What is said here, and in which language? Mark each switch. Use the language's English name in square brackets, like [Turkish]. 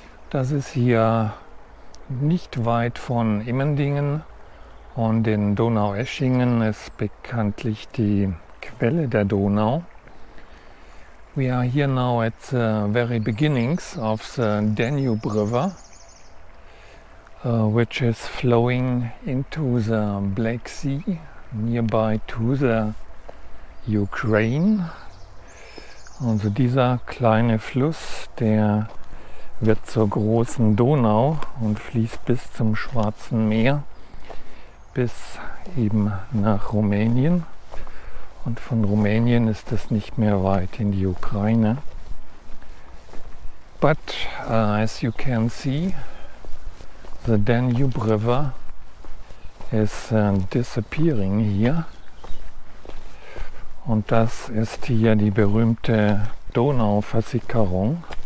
[German] Das ist hier nicht weit von Immendingen und in Donaueschingen ist bekanntlich die Quelle der Donau. [English] We are here now at the very beginnings of the Danube River, which is flowing into the Black Sea nearby to the Ukraine. [German] Also dieser kleine Fluss, der wird zur großen Donau und fließt bis zum Schwarzen Meer, bis eben nach Rumänien. Und von Rumänien ist es nicht mehr weit in die Ukraine. [English] But as you can see, the Danube River is disappearing here. [German] Und das ist hier die berühmte Donauversickerung.